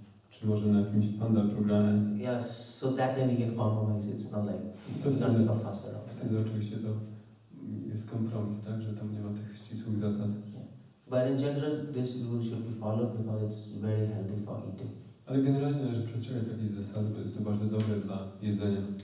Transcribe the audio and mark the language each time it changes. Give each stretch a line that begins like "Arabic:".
Polish: czy może na jakimś pandal programie,
English: yes, so that then we can compromise. It's not like it's not like a fuss at all.
Polish: Wtedy oczywiście to jest kompromis, tak, że tam nie ma tych ścisłych zasad.
English: Yeah. But in general, this rule should be followed because it's very healthy for eating.
Polish: Ale generalnie należy przestrzegać takiej zasady, bo jest to bardzo dobre dla jedzenia.